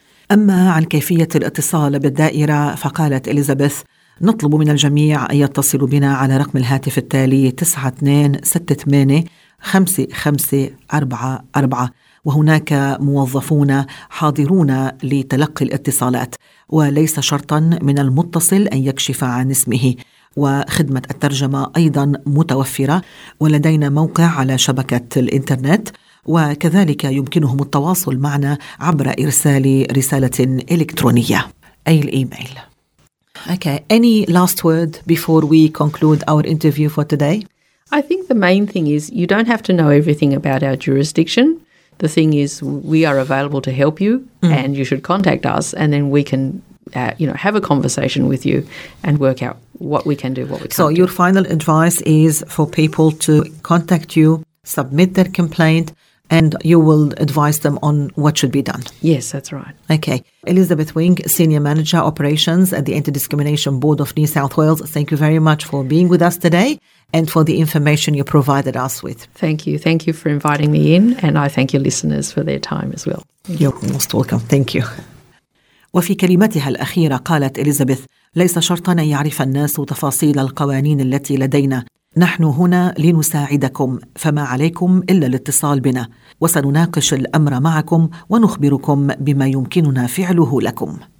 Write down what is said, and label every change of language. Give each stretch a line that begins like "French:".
Arabic: أما عن كيفية الاتصال بالدائرة، فقالت إليزابيث: نطلب من الجميع أن يتصلوا بنا على رقم الهاتف التالي 9268-5544، وهناك موظفون حاضرون لتلقي الاتصالات، وليس شرطا من المتصل أن يكشف عن اسمه، وخدمة الترجمة أيضا متوفرة، ولدينا موقع على شبكة الإنترنت، وكذلك يمكنهم التواصل معنا عبر إرسال رسالة إلكترونية أي الإيميل.
English: Okay, any last word before we conclude our interview for today? I think the main thing is you don't have to know everything about our jurisdiction. The thing is we are available to help you and you should contact us and then we can have a conversation with you and work out what we can do, what we can't do. So your final advice is for people to contact you, submit their complaint, and you will advise them on what should be done. Yes, that's right. Okay. Elizabeth Wing, Senior Manager Operations at the Anti-Discrimination Board of New South Wales, thank you very much for being with us today and for the information you provided us with. Thank you. Thank you for inviting me in, and I thank your listeners for their time as well. You're most welcome. Thank you.
Arabic: وفي كلمتها الأخيرة قالت إليزابيث: ليس شرطاً أن يعرف الناس تفاصيل القوانين التي لدينا، نحن هنا لنساعدكم، فما عليكم إلا الاتصال بنا وسنناقش الأمر معكم ونخبركم بما يمكننا فعله لكم.